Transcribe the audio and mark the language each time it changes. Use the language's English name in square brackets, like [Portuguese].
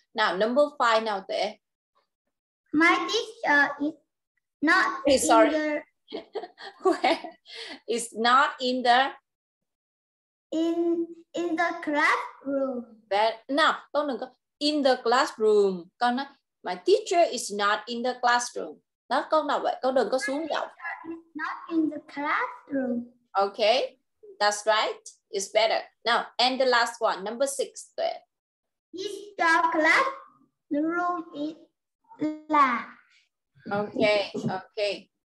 [English] Now number five. Now Tế. My teacher is not hey, sorry. In the. Is not in the. In the classroom. Now, [Vietnamese] con đừng có [English] in the classroom. [Vietnamese] Con nói [English] my teacher is not in the classroom. [Vietnamese] Đó, con đọc vậy. Con đừng có xuống giọng. [English] Not in the classroom. Okay, that's right. It's better. Now, and the last one, number six. There. Is the classroom is large. Okay, okay.